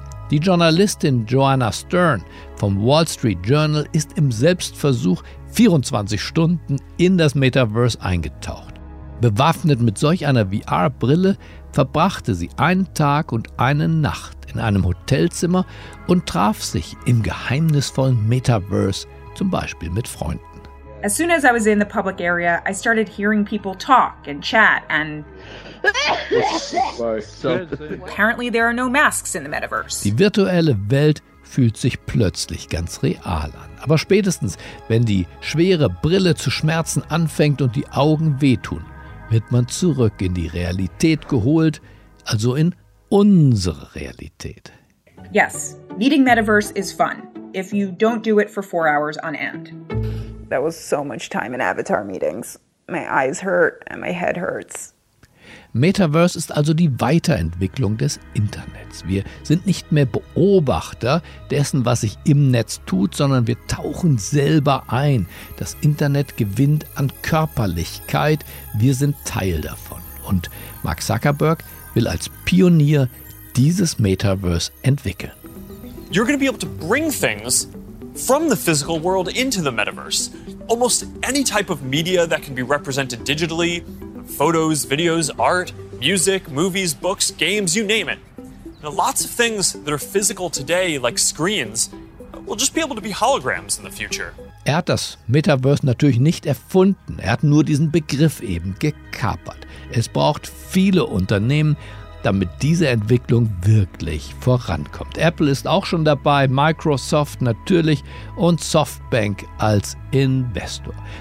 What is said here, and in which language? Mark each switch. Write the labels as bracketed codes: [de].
[de] Die Journalistin Joanna Stern vom Wall Street Journal ist im Selbstversuch 24 Stunden in das Metaverse eingetaucht. Bewaffnet mit solch einer VR-Brille verbrachte sie einen Tag und eine Nacht in einem Hotelzimmer und traf sich im geheimnisvollen Metaverse zum Beispiel mit Freunden. [en] As soon as I was in the public area, I started hearing people talk and chat and... Apparently there are no masks in the metaverse. [de] Die virtuelle Welt fühlt sich plötzlich ganz real an. Aber spätestens, wenn die schwere Brille zu Schmerzen anfängt und die Augen wehtun, wird man zurück in die Realität geholt, also in unsere Realität. [en] Yes, meeting metaverse is fun, if you don't do it for 4 hours on end. That was so much time in avatar meetings. My eyes hurt and my head hurts. [de] Metaverse ist also die Weiterentwicklung des Internets. Wir sind nicht mehr Beobachter dessen, was sich im Netz tut, sondern wir tauchen selber ein. Das Internet gewinnt an Körperlichkeit. Wir sind Teil davon. Und Mark Zuckerberg will als Pionier dieses Metaverse entwickeln. [en] You're going to be able to bring things from the physical world into the metaverse. Almost any type of media that can be represented digitally. Photos, videos, art, music, movies, books, games, you name it. And lots of things that are physical today, like screens, will just be able to be holograms in the future. [de] Er hat das Metaverse natürlich nicht erfunden. Er hat nur diesen Begriff eben gekapert. Es braucht viele Unternehmen, damit diese Entwicklung wirklich vorankommt. Apple ist auch schon dabei, Microsoft natürlich und Softbank als Investor.